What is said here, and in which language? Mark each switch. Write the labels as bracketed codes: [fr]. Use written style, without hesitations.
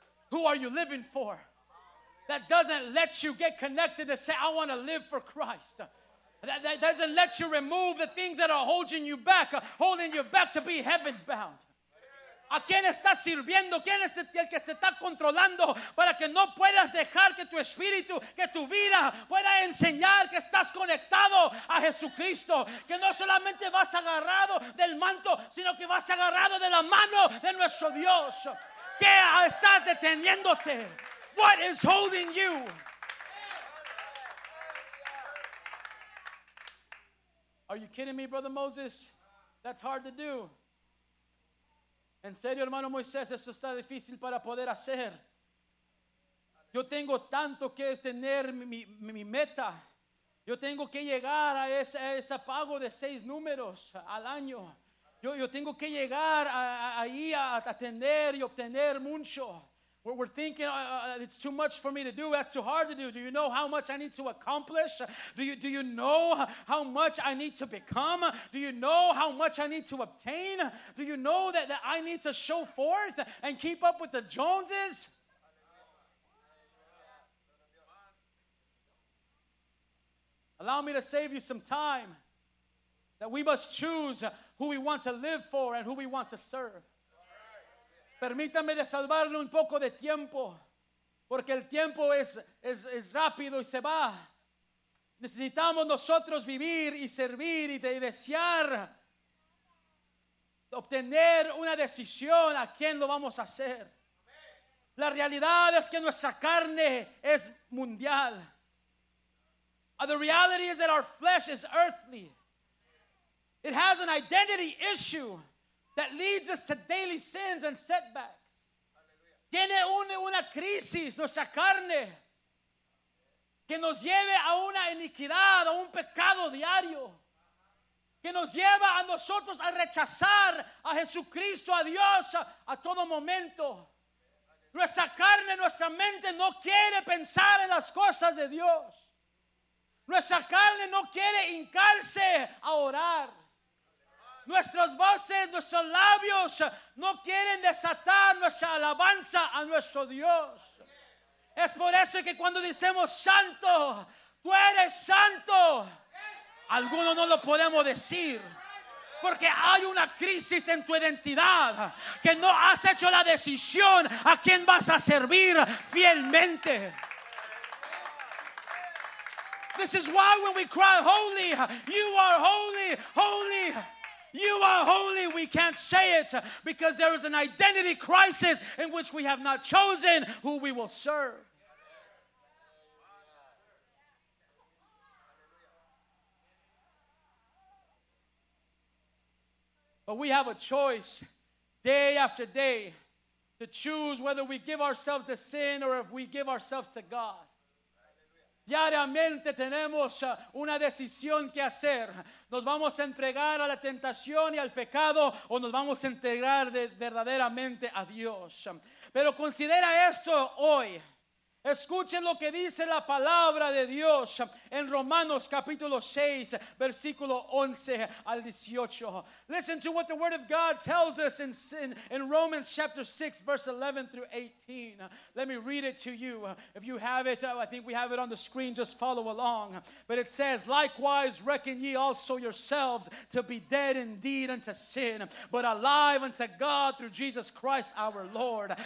[en] Who are you living for? That doesn't let you get connected to say, I want to live for Christ. That doesn't let you remove the things that are holding you back to be heaven bound. [es] ¿A quién estás sirviendo? ¿Quién es el que se está controlando para que no puedas dejar que tu espíritu, que tu vida pueda enseñar que estás conectado a Jesucristo? Que no solamente vas agarrado del manto, sino que vas agarrado de la mano de nuestro Dios. ¿Qué estás deteniéndote? [en] What is holding you? Are you kidding me, Brother Moses? That's hard to do. [es] En serio, hermano Moisés, eso está difícil para poder hacer. Yo tengo tanto que tener mi meta. Yo tengo que llegar a ese pago de 6 números al año. Yo tengo que llegar ahí a tener y obtener mucho. [en] We're thinking it's too much for me to do. That's too hard to do. Do you know how much I need to accomplish? Do you know how much I need to become? Do you know how much I need to obtain? Do you know that I need to show forth and keep up with the Joneses? Allow me to save you some time. That we must choose who we want to live for and who we want to serve. [es] Permítame de salvarle un poco de tiempo, porque el tiempo es rápido y se va. Necesitamos nosotros vivir y servir y desear obtener una decisión a quién lo vamos a hacer. La realidad es que nuestra carne es mundial. [en] The reality is that our flesh is earthly. It has an identity issue that leads us to daily sins and setbacks. [es] Tiene una crisis, nuestra carne, que nos lleve a una iniquidad, a un pecado diario, que nos lleva a nosotros a rechazar a Jesucristo, a Dios, a todo momento. Nuestra carne, nuestra mente no quiere pensar en las cosas de Dios. Nuestra carne no quiere hincarse a orar. Nuestras voces, nuestros labios no quieren desatar nuestra alabanza a nuestro Dios. Es por eso que cuando decimos santo, tú eres santo, algunos no lo podemos decir. Porque hay una crisis en tu identidad, que no has hecho la decisión a quién vas a servir fielmente. [en] This is why when we cry, holy, you are holy, holy. You are holy, we can't say it because there is an identity crisis in which we have not chosen who we will serve. But we have a choice day after day to choose whether we give ourselves to sin or if we give ourselves to God. [es] Diariamente tenemos una decisión que hacer. ¿Nos vamos a entregar a la tentación y al pecado o nos vamos a entregar verdaderamente a Dios? Pero considera esto hoy. Escuchen lo que dice la palabra de Dios en Romanos capítulo 6, versículo 11 al 18. [en] Listen to what the word of God tells us in Romans chapter 6, verse 11 through 18. Let me read it to you. If you have it, I think we have it on the screen, just follow along. But it says, likewise reckon ye also yourselves to be dead indeed unto sin, but alive unto God through Jesus Christ our Lord.